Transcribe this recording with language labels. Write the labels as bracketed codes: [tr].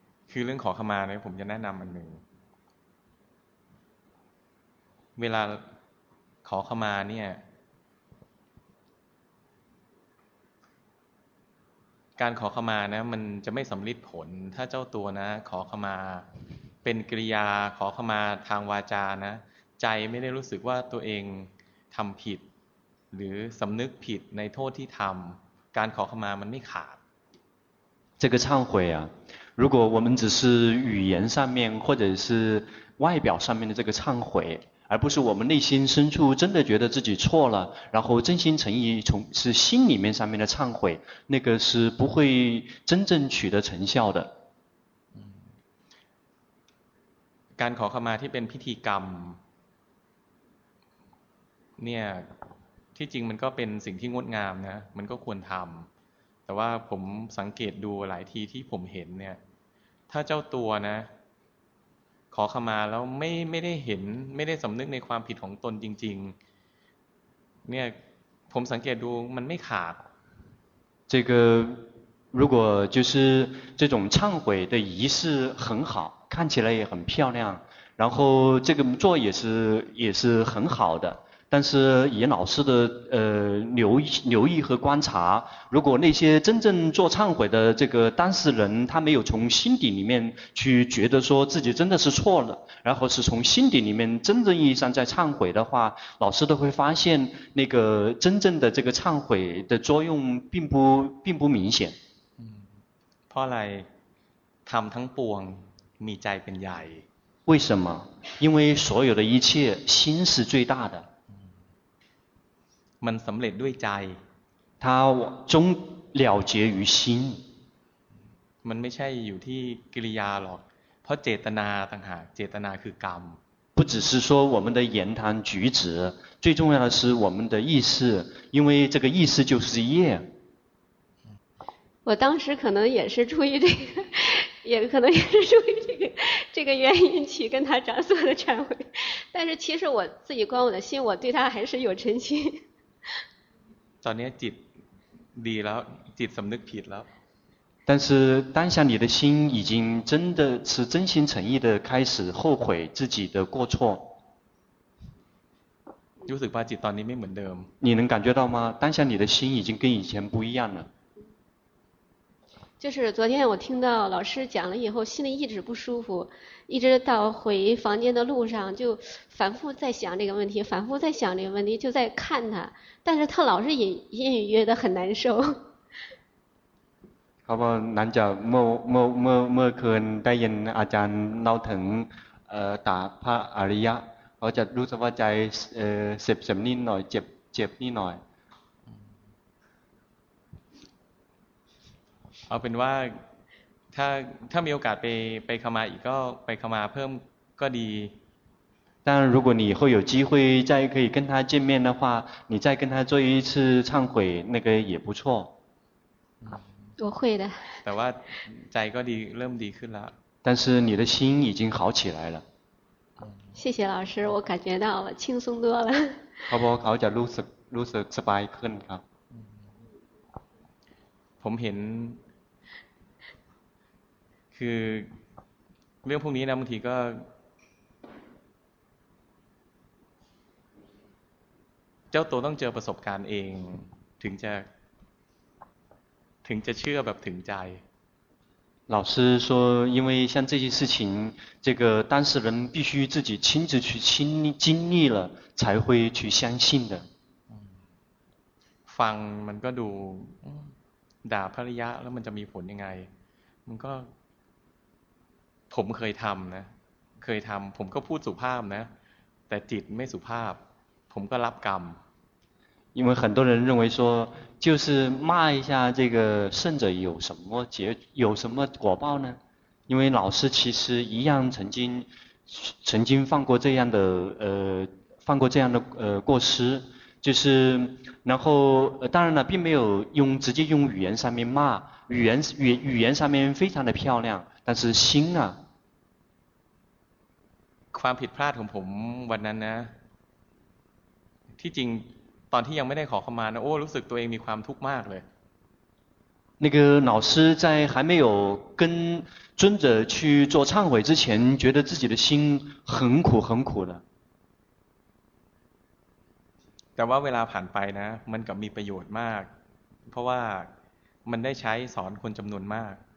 [th] คือเรื่องขอขมาเนี่ยผมจะแนะนำอันหนึ่งเวลาขอขมาเนี่ยการขอขมานะมันจะไม่สำลิดผลถ้าเจ้าตัวนะขอขมาเป็นกิริยาขอขมาทางวาจานะใจไม่ได้รู้สึกว่าตัวเองทำผิดหรือสำนึกผิดในโทษที่ทำการขอขมามันไม่ขาด [zh] 这个忏悔啊如果我们只是语言上面或者是外表上面的这个忏悔而不是我们内心深处真的觉得自己错了然后真心诚意从是心里面上面的忏悔那个是不会真正取得成效的 [th] การขอขมาที่เป็นพิธีกรรมเนี่ยที่จริงมันก็เป็นสิ่งที่งดงามนะมันก็ควรทำแต่ว่าผมสังเกตดูหลายทีที่ผมเห็นเนี่ยถ้าเจ้าตัวนะขอขมาแล้วไม่ได้เห็นไม่ได้สำนึกในความผิดของตนจริงๆเนี่ยผมสังเกตดูมันไม่ขาด [zh] 这个如果就是这种忏悔的仪式很好看起来也很漂亮然后这个做也是很好的但是以老师的留意和观察，如果那些真正做忏悔的这个当事人，他没有从心底里面去觉得说自己真的是错了，然后是从心底里面真正意义上在忏悔的话，老师都会发现那个真正的这个忏悔的作用并不明显。嗯， [th] เพราะอะไร ทำทั้งปวง มีใจเป็นใหญ่ [zh] 。 为什么？因为所有的一切心是最大的。 [th] มันสำเร็จด้วยใจ [zh] 他终了结于心 [th] มันไม่ใช่อยู่ที่กิริยาหรอกเพราะเจตนาต่างหากเจตนาคือกรรม [zh] 不只是说我们的言谈举止最重要的是我们的意识因为这个意识就是业我当时可能也是出于这个也可能也是出于这个原因去跟他长所的忏悔但是其实我自己观我的心我对他还是有诚心 [th] ตอนนี้จิตดีแล้วจิตสำนึกผิดแล้ว [zh] 但是当下你的心已经真的是真心诚意的开始后悔自己的过错 [th] รู้สึกว่าจิตตอนนี้ไม่เหมือนเดิม [zh] 你能感觉到吗当下你的心已经跟以前不一样了就是昨天我听到老师讲了以后心里一直不舒服一直到回房间的路上就反复在想这个问题反复在想这个问题就在看他但是他老是隐隐约约的很难受 [th] เขาบอกหลังจากเมื่อคืนได้ยินอาจารย์เล่าถึงตาพระอริยะเขาจะรู้สึกว่าใจเสียบๆนิดหน่อยเจ็บนิดหน่อย เอาเป็นว่าถ้ามีโอกาสไปขมาอีกก็ไปขมาเพิ่มก็ดี [zh] 但如果你以后有机会再可以跟他见面的话，你再跟他做一次忏悔，那个也不错。我会的。 [th] แต่ว่าใจก็ดีเริ่มดีขึ้นแล้ว。 [zh] 但是你的心已经好起来了。谢谢老师，我感觉到了轻松多了。 [th] เขาบอกเขาจะรู้สึกสบายขึ้นครับ。 ผมเห็นคือเรื่องพวกนี้นะบางทีก็เจ้าตัวต้องเจอประสบการณ์เองถึงจะเชื่อแบบถึงใจ [zh] 老师说因为像这些事情这个当事人必须自己亲自去经历了才会去相信的 [th] ฟังมันก็ดูด่าภริยะแล้วมันจะมีผลยังไงมันก็ผมเคยทำนะผมก็พูดสุภาพนะแต่จิตไม่สุภาพผมก็รับกรรม [zh] 因为很多人认为说就是骂一下这个圣者有什么结有什么果报呢因为老师其实一样曾经犯过这样的过失就是然后当然了并没有用直接用语言上面骂语言上面非常的漂亮但是心啊 [th] ความผิดพลาดของผมวันนั้นนะที่จริงตอนที่ยังไม่ได้ขอเข้ามานะโอ้รู้สึกตัวเองมีความทุกข์มากเลย [zh] 那个老师在还没有跟尊者去做忏悔之前觉得自己的心很苦很苦的 [th] แต่ว่าเวลาผ่านไปนะมันกับมีประโยชน์มากเพราะว่ามันได้ใช้สอนคนจำนวนมาก